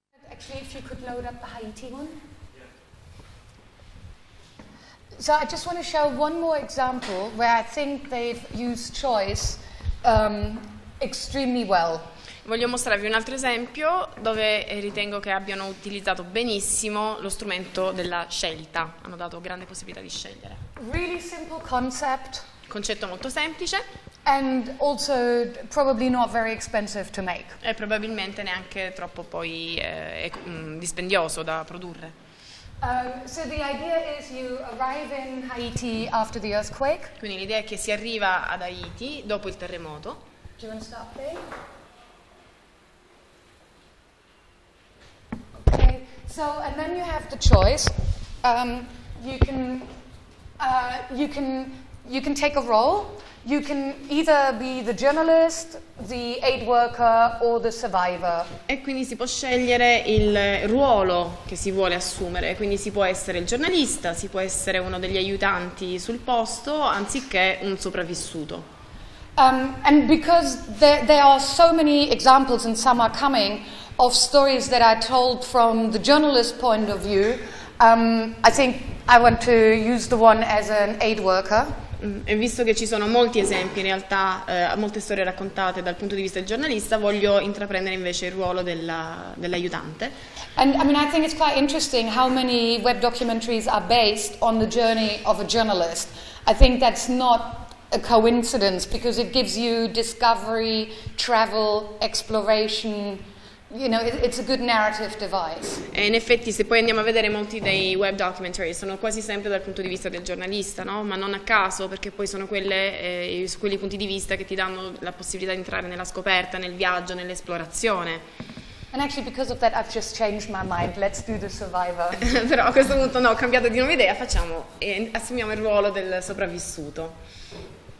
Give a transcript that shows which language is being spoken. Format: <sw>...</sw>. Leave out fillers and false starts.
<en>Actually, if you could load up the Haiti one. So I just want to show one more example where I think they've used choice extremely well.</en> <it>Voglio mostrarvi un altro esempio dove ritengo che abbiano utilizzato benissimo lo strumento della scelta. Hanno dato grande possibilità di scegliere.</it> <en>Really simple concept.</en> <it>Concetto molto semplice.</it> <en>And also probably not very expensive to make.</en> <it>E probabilmente neanche troppo poi dispendioso da produrre.</it> <en>So the idea is you arrive in Haiti after the earthquake.</en> <it>Quindi l'idea è che si arriva ad Haiti dopo il terremoto.</it> <en>Do you want to stop there? Okay. So and then you have the choice. You can take a role. You can either be the journalist, the aid worker, or the survivor.</en> <it>E quindi si può scegliere il ruolo che si vuole assumere. Quindi si può essere il giornalista, si può essere uno degli aiutanti sul posto, anziché un sopravvissuto.</it> <en>And because there are so many examples, and some are coming, of stories that are told from the journalist's point of view, I think I want to use the one as an aid worker.</en> <it>E visto che ci sono molti esempi, in realtà, molte storie raccontate dal punto di vista del giornalista, voglio intraprendere invece il ruolo dell'aiutante.</it> <en>And I mean, I think it's quite interesting how many web documentaries are based on the journey of a journalist. I think that's not a coincidence because it gives you discovery, travel, exploration. You know, it's a good narrative device.</en> <it>E in effetti, se poi andiamo a vedere molti dei web documentary, sono quasi sempre dal punto di vista del giornalista, no? Ma non a caso, perché poi sono quelli punti di vista che ti danno la possibilità di entrare nella scoperta, nel viaggio, nell'esplorazione.</it> <en>And actually, because of that, I've just changed my mind. Let's do the survivor.</en> <it>Però a questo punto no, ho cambiato di nuova idea, facciamo e assumiamo il ruolo del sopravvissuto.</it>